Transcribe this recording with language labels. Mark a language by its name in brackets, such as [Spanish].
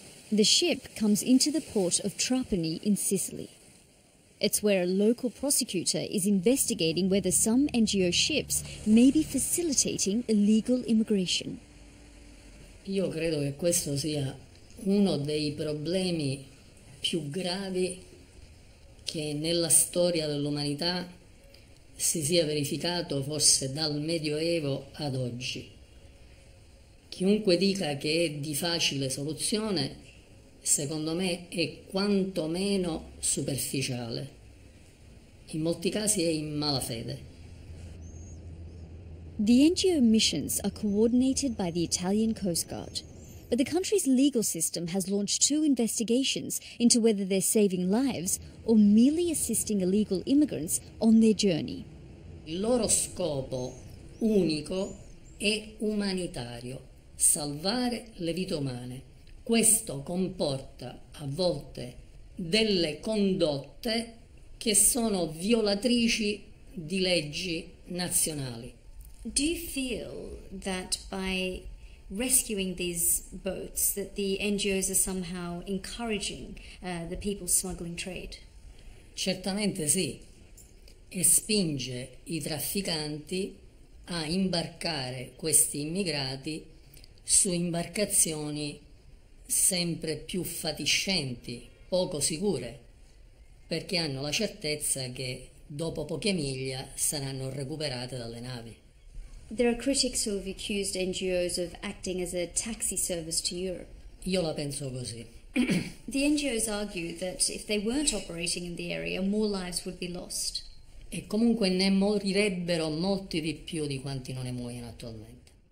[English] The ship comes into the port of Trapani in Sicily. It's where a local prosecutor is investigating whether some NGO ships may be facilitating illegal immigration. [Italian] Io credo che questo sia uno dei problemi più gravi che nella storia dell'umanità si sia verificato, forse dal Medioevo ad oggi. Chiunque dica che è di facile soluzione, secondo me è quantomeno superficiale. In molti casi è in malafede. [English] The NGO missions are coordinated by the Italian Coast Guard. But the country's legal system has launched two investigations into whether they're saving lives or merely assisting illegal immigrants on their journey. [Italian] Il loro scopo unico è umanitario, salvare le vite umane. Questo comporta a volte delle condotte che sono violatrici di leggi nazionali. [English] Do you feel that by rescuing these boats that the NGOs are somehow encouraging the people smuggling trade? [Italian] Certamente sì, e spinge i trafficanti a imbarcare questi immigrati su imbarcazioni sempre più fatiscenti, poco sicure, perché hanno la certezza che dopo poche miglia saranno recuperate dalle navi. [English] There are critics who have accused NGOs of acting as a taxi service to Europe. [Italian] Io la penso così. [English] The NGOs argue that if they weren't operating in the area, more lives would be lost. [Italian] E comunque ne morirebbero molti di più di quanti non ne muoiono attualmente.